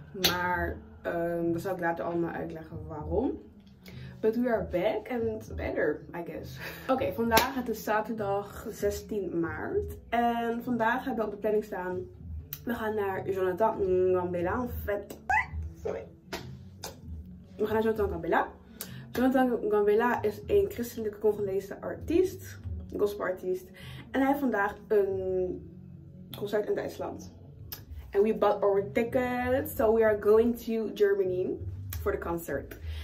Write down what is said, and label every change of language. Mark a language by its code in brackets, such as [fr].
[nl] Maar dan zal ik later allemaal uitleggen waarom. [en] But we are back and better, I guess. [nl] Oké, vandaag, het is zaterdag 16 maart. En vandaag hebben we op de planning staan. We gaan naar Jonathan Gambela. We gaan naar Jonathan Gambela. Jonathan Gambela is een christelijke Congolese artiest. Gospelartiest. En hij heeft vandaag een concert in Duitsland. [en] And we bought our ticket. So we are going to Germany for the concert.